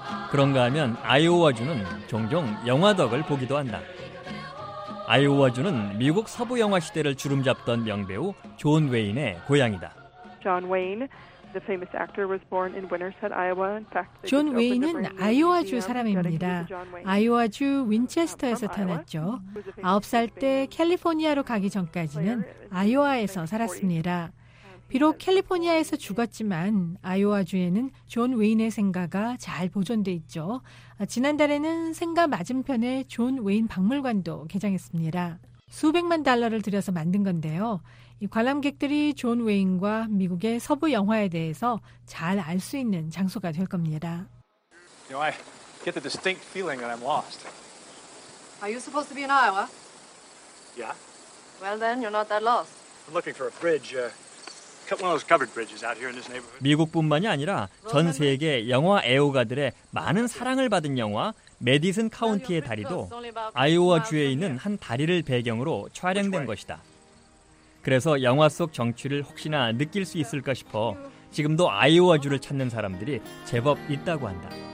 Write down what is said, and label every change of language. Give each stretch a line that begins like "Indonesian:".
Korean: 그런가 하면 아이오와주는 종종 영화 덕을 보기도 한다. 아이오와주는 미국 서부 영화 시대를 주름잡던 명배우 존 웨인의 고향이다.
English: John Wayne, the famous actor, was born in Winterset, Iowa. In fact,
Korean: 존 웨인은 아이오와주 사람입니다. 아이오와주 윈체스터에서 태어났죠. 9살 때 캘리포니아로 가기 전까지는 아이오와에서 살았습니다. 비록 캘리포니아에서 죽었지만 아이오와주에는 존 웨인의 생가가 잘 보존돼 있죠. 지난달에는 생가 맞은편에 존 웨인 박물관도 개장했습니다. 수백만 달러를 들여서 만든 건데요. 관람객들이 존 웨인과 미국의 서부 영화에 대해서 잘 알 수 있는 장소가 될 겁니다.
English: You know, I get the distinct feeling that I'm lost. Are you supposed to be in Iowa? Yeah. Well then, you're not that lost. I'm looking for a bridge. One of those covered bridges out here in this neighborhood.
Korean: 미국뿐만이 아니라 전 세계 영화 애호가들의 많은 사랑을 받은 영화 메디슨 카운티의 다리도 아이오와 주에 있는 한 다리를 배경으로 촬영된 것이다. 그래서 영화 속 정취를 혹시나 느낄 수 있을까 싶어 지금도 아이오와 주를 찾는 사람들이 제법 있다고 한다.